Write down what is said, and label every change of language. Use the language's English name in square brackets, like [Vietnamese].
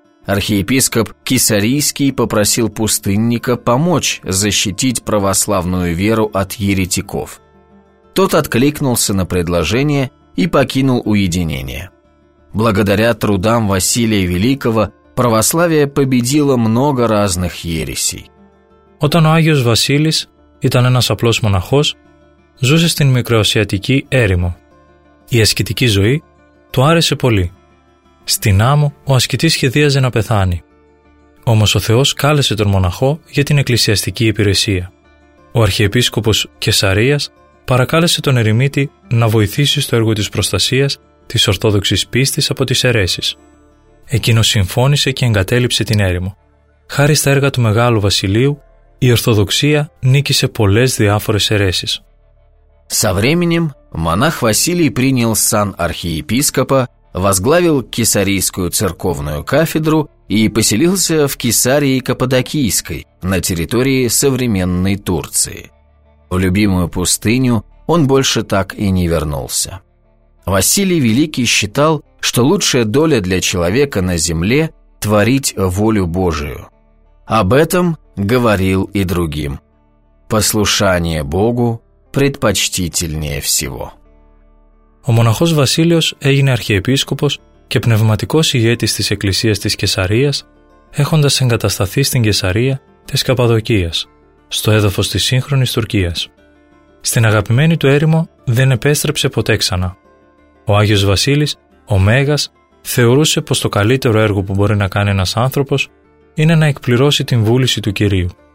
[Russian] Архиепископ Кесарийский попросил пустынника помочь защитить православную веру от еретиков. Тот откликнулся на предложение и покинул уединение. Благодаря трудам Василия Великого православие победило много разных ересей. [Greek] Όταν ο Άγιος Βασίλης ήταν ένας απλός μοναχός, ζούσε στην μικροασιατική έρημο. Η ασκητική ζωή του άρεσε πολύ. Στην άμμο ο ασκητής σχεδίαζε να πεθάνει. Όμως ο Θεός κάλεσε τον μοναχό για την εκκλησιαστική υπηρεσία. Ο αρχιεπίσκοπος Κεσαρίας παρακάλεσε τον ερημίτη να βοηθήσει στο έργο της προστασίας της ορθόδοξης πίστης από τις αιρέσεις. Εκείνος συμφώνησε και εγκατέλειψε την έρημο. Χάρη στα έργα του Μεγάλου Βασιλείου, η Ορθοδοξία νίκησε πολλές διάφορες αιρέσεις. [Russian] Со временем монах Василий принял сан архиепископа, возглавил Кесарийскую церковную кафедру и поселился в Кесарии Каппадокийской на территории современной Турции. В любимую пустыню он больше так и не вернулся. Василий Великий считал, что лучшая доля для человека на земле – творить волю Божию. Об этом говорил и другим. Послушание Богу предпочтительнее всего. [Greek] Ο μοναχός Βασίλειος έγινε αρχιεπίσκοπος και πνευματικός ηγέτης της Εκκλησίας της Κεσαρίας, έχοντας εγκατασταθεί στην Κεσαρία της Καπαδοκίας, στο έδαφος της σύγχρονης Τουρκίας. Στην αγαπημένη του έρημο δεν επέστρεψε ποτέ ξανά. Ο Άγιος Βασίλης, ο Μέγας, θεωρούσε πως το καλύτερο έργο που μπορεί να κάνει ένας άνθρωπος είναι να εκπληρώσει την βούληση του Κυρίου.